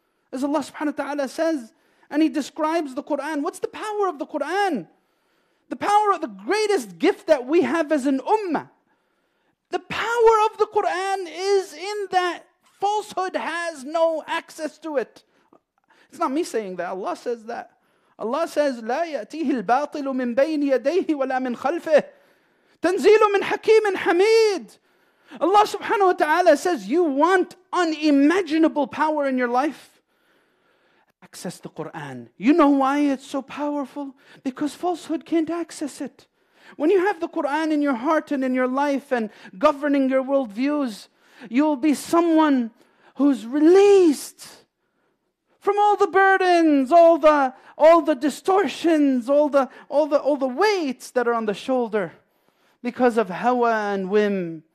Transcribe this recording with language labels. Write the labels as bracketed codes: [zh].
[en] As Allah subhanahu wa ta'ala says, and He describes the Qur'an, what's the power of the Qur'an? The power of the greatest gift that we have as an ummah. The power of the Qur'an is in that falsehood has no access to it. It's not me saying that, Allah says that. Allah says, [ar] لا يأتيه الباطل من بين يديه ولا من خلفه تنزيل من حكيم حميد. [en] Allah subhanahu wa ta'ala says, you want unimaginable power in your life? Access the Qur'an. You know why it's so powerful? Because falsehood can't access it. When you have the Qur'an in your heart and in your life and governing your worldviews, you'll be someone who's released from all the burdens, all the distortions, all the weights that are on the shoulder because of hawa and whim.